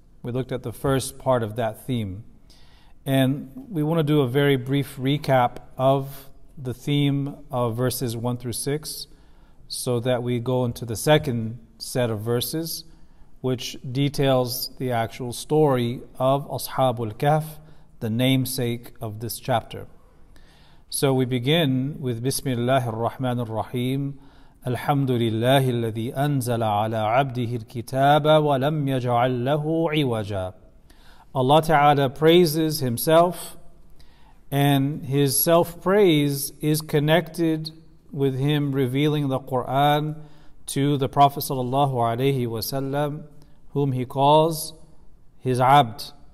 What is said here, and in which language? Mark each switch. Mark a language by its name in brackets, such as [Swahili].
[English] We looked at the first part of that theme. And we want to do a very brief recap of the theme of verses 1 through 6 so that we go into the second set of verses, which details the actual story of Ashab al-Kahf, the namesake of this chapter. So we begin with Bismillah ar-Rahman ar-Rahim. [Arabic] الحمد لله الذي أنزل على عبده الكتاب ولم يجعل له عوجا. [English] Allah Ta'ala praises himself, and his self-praise is connected with him revealing the Quran to the Prophet sallallahu alayhi wa sallam, whom he calls his abd.